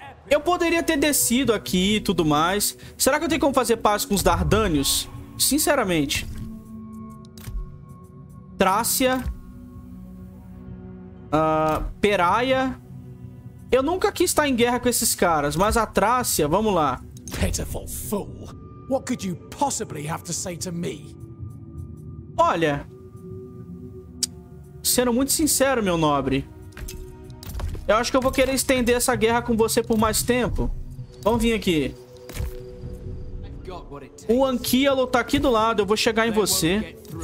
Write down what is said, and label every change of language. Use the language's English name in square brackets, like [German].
[Portuguese] Eu poderia ter descido aqui e tudo mais. Será que eu tenho como fazer paz com os Dardanios? Sinceramente... Trácia, Peraia. Eu nunca quis estar em guerra com esses caras, mas a Trácia, vamos lá. [English] Pitiful fool. What could you possibly have to say to me? [Portuguese] Olha, sendo muito sincero, meu nobre, eu acho que eu vou querer estender essa guerra com você por mais tempo. Vamos vir aqui. O Anquialo tá aqui do lado, eu vou chegar em você.